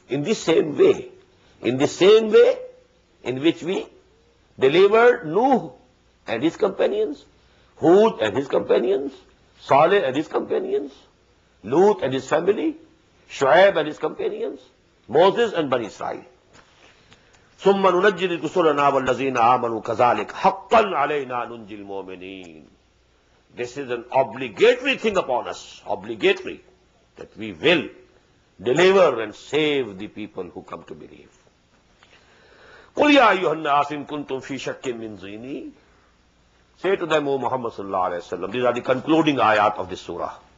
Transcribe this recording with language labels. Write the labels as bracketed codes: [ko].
[en] In the same way, in the same way in which we delivered Nuh and his companions, Hud and his companions, Saleh and his companions, Lut and his family, Shu'aib and his companions, Moses and Bani Israel. [ar] ثم ننجي رسلنا والذين آمنوا كذلك حقا علينا ننجي المؤمنين. [en] This is an obligatory thing upon us, obligatory, that we will deliver and save the people who come to believe. [ar] قُلْ يَا أَيُّهَا النَّاسُ إِن كُنْتُمْ فِي شَكٍّ مِّن زِينِي. [en] Say to them, O Muhammad sallallahu alayhi wa sallam, these are the concluding ayat of this surah.